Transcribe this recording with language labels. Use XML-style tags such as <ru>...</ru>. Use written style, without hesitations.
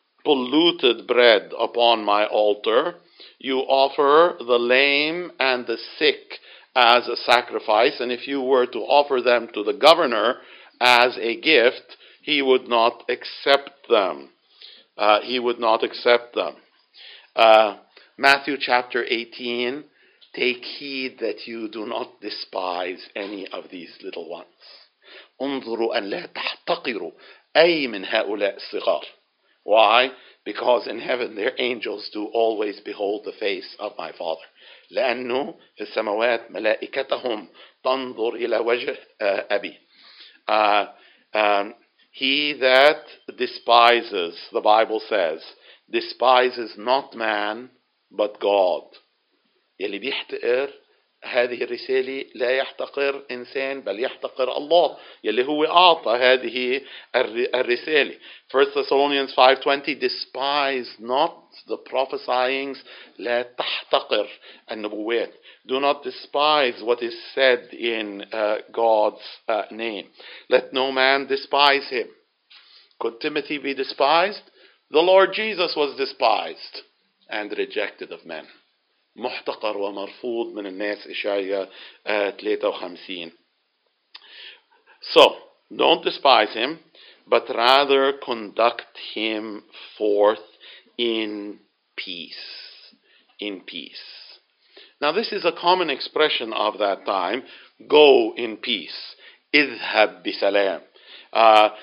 <en>polluted bread upon my altar. You offer the lame and the sick as a sacrifice, and if you were to offer them to the governor as a gift, he would not accept them. He would not accept them. Matthew chapter 18, take heed that you do not despise any of these little ones.</en> <ar>انظروا أن لا تحتقروا أي من هؤلاء الصغار.</ar> <en>Why? Because in heaven their angels do always behold the face of my Father.</en> <ar>لأنه في السماوات ملائكتهم تنظر إلى وجه أبي.</ar> <en>He that despises, the Bible says, despises not man, but God.</en> <ar>يلي بيحتقر هذه الرسالة لا يحتقر إنسان بل يحتقر الله يلي هو أعطى هذه الرسالة.</ar> <en>1 Thessalonians 5:20 despise not the prophesyings,</en> <ar>لا تحتقر النبوات.</ar> <en>Do not despise what is said in God's name. Let no man despise him. Could Timothy be despised? The Lord Jesus was despised and rejected of men.</en> <ar>محتقر ومرفوض من الناس إشعياء 53.</ar> <en>So, don't despise him, but rather conduct him forth in peace. In peace. Now this is a common expression of that time. Go in peace.</en> <ar>اذهب بسلام.</ar>